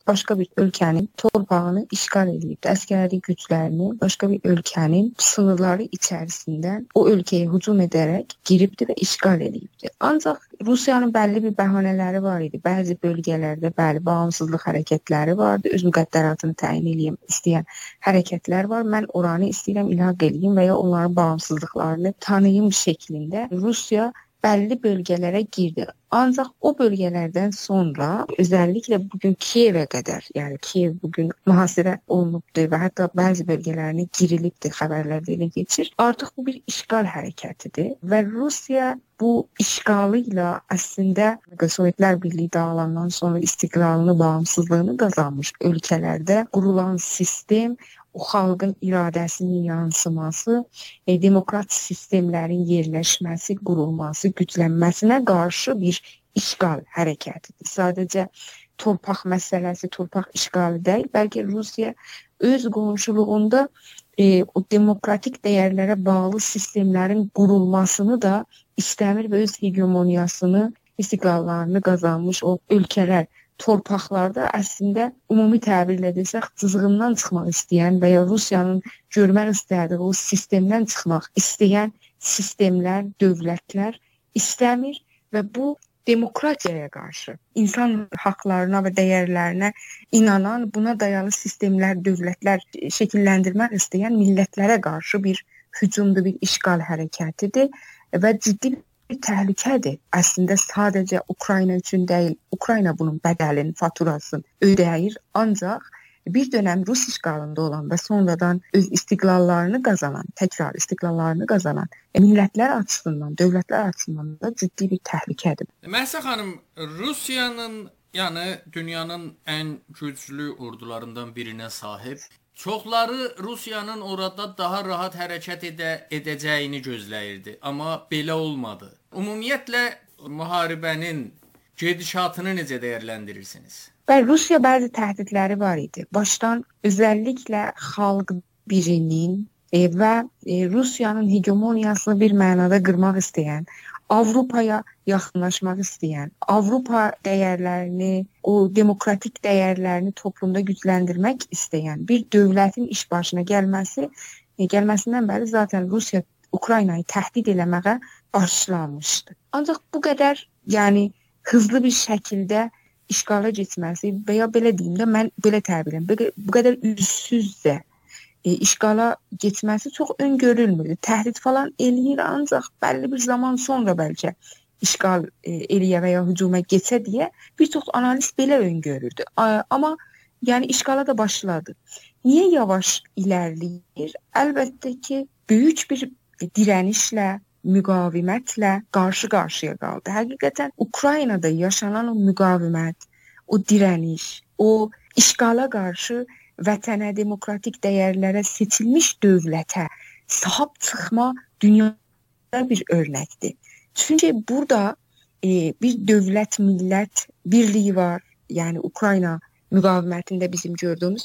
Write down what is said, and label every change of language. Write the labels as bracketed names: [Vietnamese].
[Turkish] Başka bir ülkenin torpağını işgal edip askeri güçlerini başka bir ülkenin sınırları içerisinden o ülkeye hücum ederek giripti ve işgal edipti. Ancak Rusiyanın belli bir bahaneleri var idi. Bazı bölgelerde belli bağımsızlık hareketleri vardı. [Azerbaijani] Öz müqəddəratını təyin edeyim isteyen hareketler var. [Turkish] Mən oranı istəyirəm ilhaq edeyim veya onların bağımsızlıklarını tanıyım şeklinde Rusya belli bölgelere girdi. Ancak o bölgelerden sonra özellikle bugün Kiev'e kadar yani Kiev bugün muhasere olunubdu ve hatta bazı bölgelerine girilibdi haberlerini geçir. Artık bu bir işgal hareketidir ve Rusya bu işgalıyla aslında Sovyetler Birliği dağılandan sonra istiklalını bağımsızlığını kazanmış ülkelerde kurulan sistem o halkın iradesinin yansıması, demokrat sistemlerin yerleşmesi, kurulması, güçlenmesine karşı bir işgal hareketidir. Sadece torpaq meselesi, torpaq işgali değil, belki Rusya öz qonşuluğunda o demokratik değerlere bağlı sistemlerin kurulmasını da istemir ve öz hegemoniyasını, istiklallarını kazanmış o ülkeler. [Azerbaijani] Torpaqlarda aslında ümumi təbirlə desək cızığından çıxmaq istəyən veya Rusiyanın görmək istədiyi o sistemdən çıxmaq istəyən sistemlər, dövlətlər istəmir və bu demokratiyaya qarşı insan haqlarına və dəyərlərinə inanan, buna dayalı sistemlər, dövlətlər şəkilləndirmək istəyən millətlərə qarşı bir hücumdur, bir işgal hərəkətidir və ciddi bir təhlükədir. [Turkish] Aslında sadece Ukrayna için değil, Ukrayna bunun bedelini, faturasını ödəyir. Ancak bir dönem Rus işgalında olan ve sonradan öz istiqlallarını kazanan, tekrar istiqlallarını kazanan milletler açısından, dövlətler açısından da ciddi bir təhlükədir. Mehsa Hanım, Rusiyanın yani dünyanın en güçlü ordularından birine sahip. [Azerbaijani] Çoxları Rusiyanın orada daha rahat hərəkət edəcəyini gözləyirdi. Amma belə olmadı. Ümumiyyətlə, müharibənin gedişatını necə dəyərləndirirsiniz? Bəli, Rusiya bəzi təhdidləri var idi. Başdan özəlliklə xalq birinin və Rusiyanın hegemoniyasını bir mənada qırmaq istəyən, Avropaya yaxınlaşmaq istəyən, Avropa dəyərlərini, o demokratik dəyərlərini toplumda gücləndirmək istəyən bir dövlətin iş başına gəlməsindən bəri zaten Rusiya Ukraynayı təhdid eləməyə başlamışdı. Ancaq bu qədər yəni hızlı bir şəkildə işgala getməsi və ya belə deyim də mən belə təbir edirəm. [Turkish] Bu qədər üzsüzcə işgala geçmesi çok öngörülmüyor. Tehdit falan eləyir ancak belli bir zaman sonra belki işgal eləyə veya hücuma geçə deyə bir çox analist belə öngörürdü. Ama yani işgala da başladı. Niye yavaş ilerleyir? Elbette ki büyük bir direnişle, müqavimətlə karşı karşıya kaldı. [Azerbaijani] Hakikaten Ukrayna'da yaşanan o müqavimət, o direniş, o işgala karşı vətənə, demokratik dəyərlərə seçilmiş dövlətə sahib çıxma dünyada bir örnəkdir. Çünki burada bir dövlət-millət birliği var, yəni Ukrayna müqavimətində bizim gördüyümüz.